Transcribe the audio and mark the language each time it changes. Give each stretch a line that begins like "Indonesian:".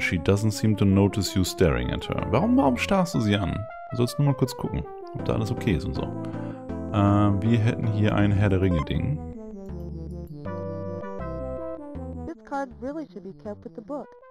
English: She doesn't seem to notice you staring at her.
German: Warum starrst du sie an? Du sollst nur mal kurz gucken. Ob da alles okay ist und so. Wir hätten hier ein Herr der Ringe-Ding.
English: This card really should be kept with the book.